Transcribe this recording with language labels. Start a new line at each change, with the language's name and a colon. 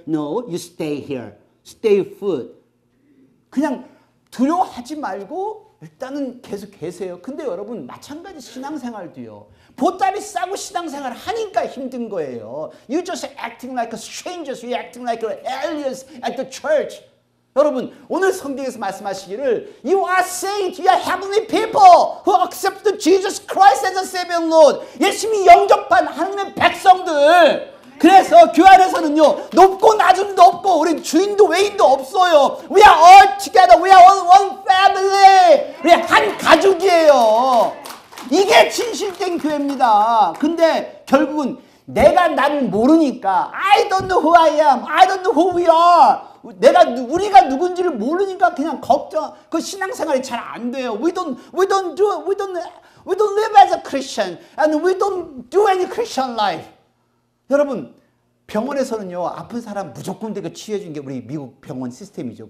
English: No, you stay here. Stay put.
Korean: 그냥 두려워하지 말고 일단은 계속 계세요. 근데 여러분 마찬가지 신앙생활도요. 보따리 싸고 신앙생활 하니까 힘든 거예요.
English: You just acting like a strangers. You acting like aliens at the church.
Korean: 여러분 오늘 성경에서 말씀하시기를
English: You are saints, you are heavenly people who accepted Jesus Christ as a Savior and Lord.
Korean: 예수님이 영접한 하나님의 백성들. 그래서 교회 안에서는요 높고 낮음도 없고 우리 주인도 외인도 없어요.
English: We are all together, we are all one family.
Korean: 우리 한 가족이에요. 이게 진실된 교회입니다. 근데 결국은 내가 난 모르니까
English: I don't know who I am, I don't know who we are.
Korean: 내가 우리가 누군지를 모르니까 그냥 걱정 그 신앙생활이 잘 안 돼요.
English: We don't live as a Christian and we don't do any Christian life.
Korean: 여러분 병원에서는요 아픈 사람 무조건 되게 취해 주는 게 우리 미국 병원 시스템이죠.